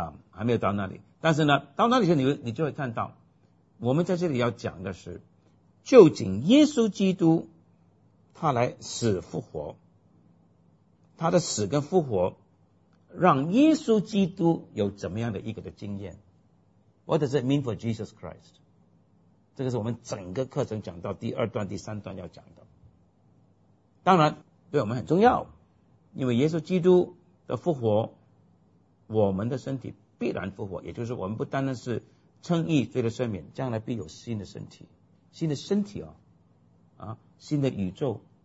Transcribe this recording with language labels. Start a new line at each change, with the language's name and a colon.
Chinese: 还没有到那里，但是呢，到那里时你就会看到，我们在这里要讲的是，究竟耶稣基督他来死复活，他的死跟复活让耶稣基督有怎么样的一个的经验？
English: What does it mean for Jesus Christ？
Chinese: 这个是我们整个课程讲到第二段、第三段要讲的。当然，对我们很重要，因为耶稣基督的复活。我们的身体必然复活，也就是我们不单单是称义罪的赦免，将来必有新的身体，新的身体新的宇宙。